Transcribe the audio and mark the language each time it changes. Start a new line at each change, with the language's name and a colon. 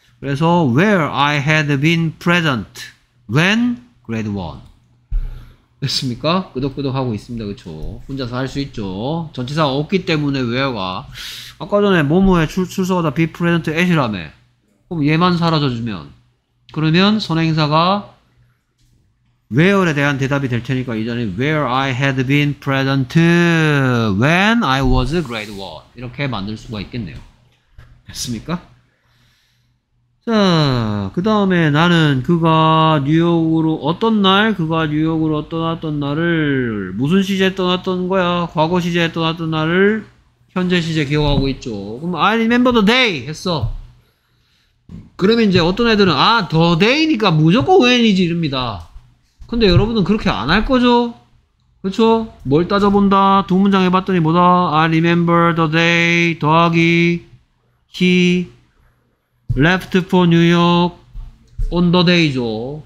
Korean: 그래서
English: where I had been present when grade 1
Korean: 됐습니까? 끄덕끄덕 하고 있습니다. 그렇죠? 혼자서 할 수 있죠. 전치사가 없기 때문에 where가 아까 전에 뭐뭐에 출석하다
English: be present at
Korean: 이라며 그럼 얘만 사라져주면 그러면 선행사가 where에 대한 대답이 될 테니까 이전에
English: where I had been present when I was grade 1
Korean: 이렇게 만들 수가 있겠네요. 됐습니까? 자, 그 다음에 나는 그가 뉴욕으로 어떤 날, 그가 뉴욕으로 떠났던 날을 무슨 시제에 떠났던 거야? 과거 시제에 떠났던 날을 현재 시제 기억하고 있죠. 그럼
English: I remember the day
Korean: 했어. 그러면 이제 어떤 애들은 아, the day니까 무조건 when이지 이릅니다. 근데 여러분은 그렇게 안 할 거죠? 그쵸? 뭘 따져본다? 두 문장 해봤더니 뭐다?
English: I remember the day
Korean: 더하기
English: he left for New York on the day죠.